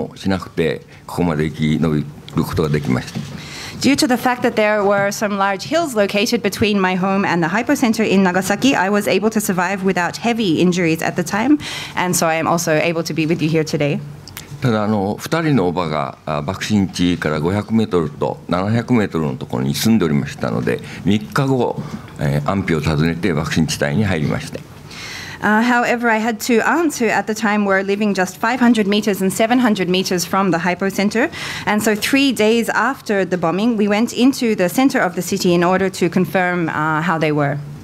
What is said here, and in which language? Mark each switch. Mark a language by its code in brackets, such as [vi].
[ja] 爆心地と私の家との間に大きな山がありましたので、大きな怪我をしなくてここまで生き延びることができました。 [en] Due to the fact that there were some large hills located between my home and the hypocenter in Nagasaki, I was able to survive without heavy injuries at the time, and so I am also able to be with you here today. [ja] ただ、2人のおばが爆心地から500メートルと700メートルのところに住んでおりましたので、3日後安否を尋ねて爆心地帯に入りました。 [en] However, I had two aunts who at the time were living just 500 meters and 700 meters from the hypocenter. And so 3 days after the bombing, we went into the center of the city in order to confirm how they were.